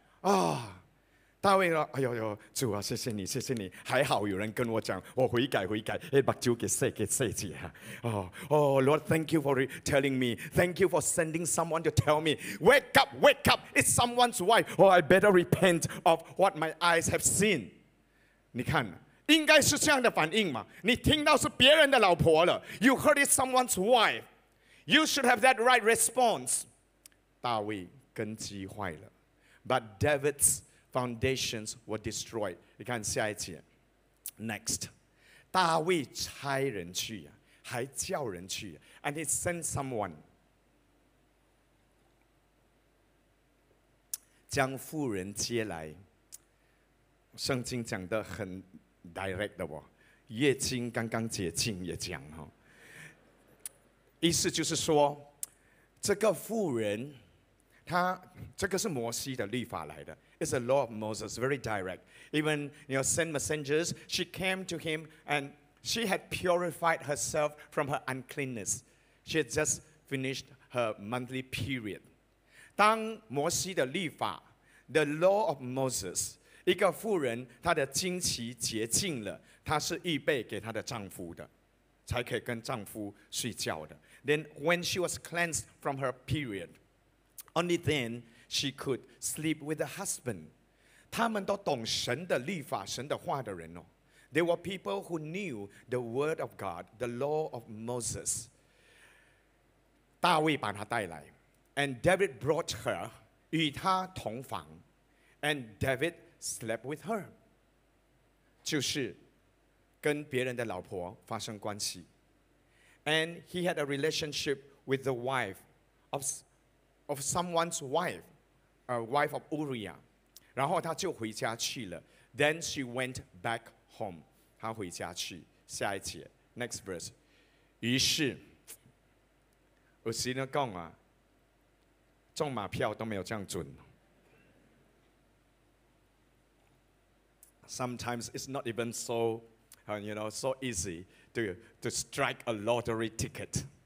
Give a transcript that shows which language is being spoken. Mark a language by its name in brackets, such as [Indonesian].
[Chinese] 啊、哦，大卫说，哎呦呦，主啊，谢谢你，谢谢你，还好有人跟我讲，我悔改悔改，哎，把酒给洗一下。 [English] Lord, thank you for telling me. Thank you for sending someone to tell me. Wake up, it's someone's wife. Oh, I better repent of what my eyes have seen. [Chinese] 你看，应该是这样的反应嘛？你听到是别人的老婆了 ， [English] You heard it's someone's wife. You should have that right response. [Chinese] 大卫根基坏了 [English] ，But David's foundations were destroyed. [Chinese] 你看下一节 ，Next， 大卫差人去呀，还叫人去 ， [English] and he sent someone [Chinese] 将妇人接来。圣经讲得很 direct 的哦，月经刚刚解禁也讲哈，意思就是说，这个妇人，她这个是摩西的律法来的。 [English] It's a law of Moses, very direct. Even, you know, send messengers, she came to him and she had purified herself from her uncleanness. She had just finished her monthly period. [Chinese] 当摩西的律法 the law of Moses, 一个妇人她的经期洁净了，她是预备给她的丈夫的，才可以跟丈夫睡觉的。 [English] Then when she was cleansed from her period, only then,She could sleep with the husband. [Chinese] 他们都懂神的律法、神的话的人哦。 [English] They were people who knew the word of God, the law of Moses. [Chinese] 大卫把她带来 [English] ，and David brought her [Chinese] 与她同房 [English] ，and David slept with her. [Chinese] 就是跟别人的老婆发生关系 [English] ，and he had a relationship with the wife of someone's wife. Wife of Uriah, [Chinese] 然后他就回家去了。 [English] Then she went back home. [Chinese] 他回家去。下一节 [English] ，next verse. [Chinese] 于是，我先要讲啊，中马票都没有这样准。 [English] Sometimes it's not even so, you know, so easy to strike a lottery ticket.